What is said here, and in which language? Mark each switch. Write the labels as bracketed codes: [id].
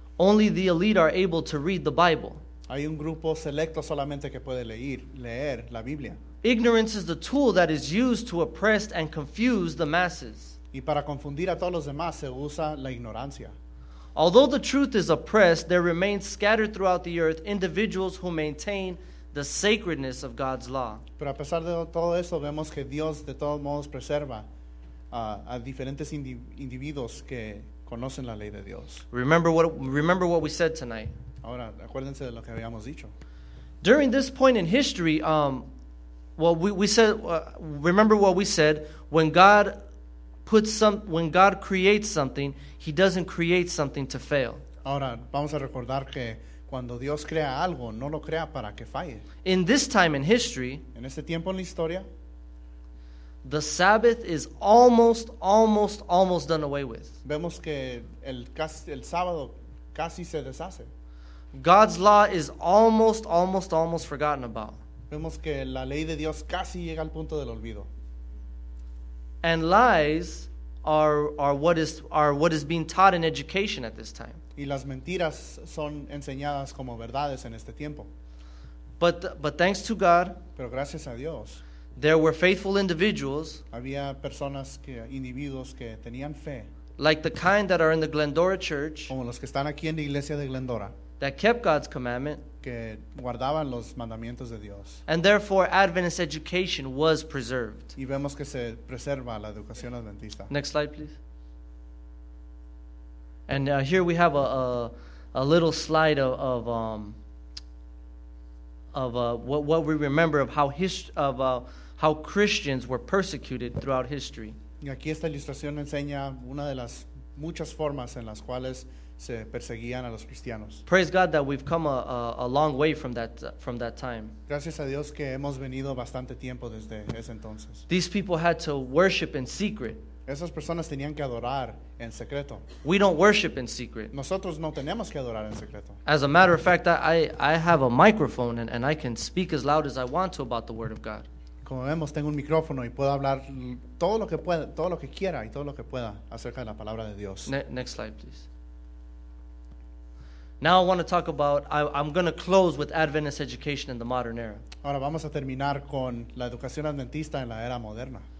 [en] Only the elite are able to read the Bible. [es] Hay un grupo selecto solamente que puede leer la Biblia. [en] Ignorance is the tool that is used to oppress and confuse the masses. [es] Y para confundir a todos los demás se usa la ignorancia. [en] Although the truth is oppressed, there remain scattered throughout the earth individuals who maintain the sacredness of God's law. [es] Pero a pesar de todo eso, vemos que Dios de todos modos preserva a diferentes individuos que conocen la ley de Dios. [en] Remember what we said tonight. [es] Ahora, acuérdense de lo que habíamos dicho. [en] During this point in history, when God creates something, he doesn't create something to fail. [es] Ahora, vamos a recordar que cuando Dios crea algo, no lo crea para que falle. [en] In this time in history, [es] en este tiempo en la historia, [en] the Sabbath is almost done away with. [es] Vemos que el sábado casi se deshace. [en] God's law is almost forgotten about. [es] Vemos que la ley de Dios casi llega al punto del olvido. [en] And lies are what is being taught in education at this time. [es] Y las mentiras son enseñadas como verdades en este tiempo. [en] But thanks to God, [es] pero gracias a Dios, [en] there were faithful individuals, [es] había personas que, individuos que tenían fe, [en] like the kind that are in the Glendora Church, [es] como los que están aquí en la iglesia de Glendora, [en] that kept God's commandment, [es] que guardaban los mandamientos de Dios, [en] and therefore Adventist education was preserved. [es] Y vemos que se preserva la educación adventista. [en] Next slide, please. And here we have a little slide of what we remember of how how Christians were persecuted throughout history. [es] Y aquí esta ilustración enseña una de las muchas formas en las cuales se perseguían a los cristianos. [en] Praise God that we've come a long way from that time. [es] Gracias a Dios que hemos venido bastante tiempo desde ese entonces. [en] These people had to worship in secret. [es] Esas personas tenían que adorar en secreto. [en] We don't worship in secret. [es] Nosotros no tenemos que adorar en secreto. [en] As a matter of fact, I have a microphone and I can speak as loud as I want to about the Word of God. [es] Como vemos, tengo un micrófono y puedo hablar todo lo que pueda, todo lo que quiera y todo lo que pueda acerca de la palabra de Dios. [en] Next slide, please. Now I want to talk about, I'm going to close with Adventist education in the modern era. [es] Ahora vamos a terminar con la educación adventista en la era moderna.